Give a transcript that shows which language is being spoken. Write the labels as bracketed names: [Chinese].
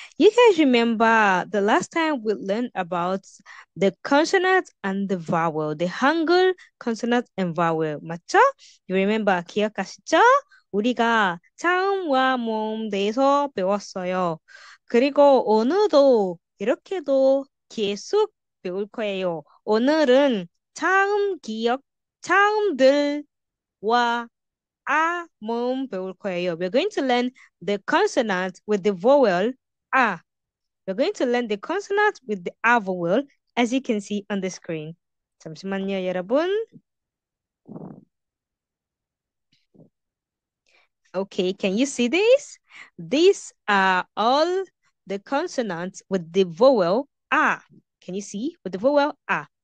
[English] You guys remember the last time we learned about the consonants and the vowel, the Hangul consonants and vowel, [Korean] 맞죠? [English] You remember, [Korean] 기억하시죠? 우리가 자음과 모음 대해서 배웠어요. 그리고 오늘도 이렇게도 계속 배울 거예요. 오늘은 자음 기억, 자음들과 아, 모음 배울 거예요. [English] We're going to learn the consonant with the vowel, a. We're going to learn the consonant with the a vowel, as you can see on the screen. [Korean] 잠시만요, 여러분. [English] Okay, can you see this? These are all the consonants with the vowel a. Can you see? With the vowel a.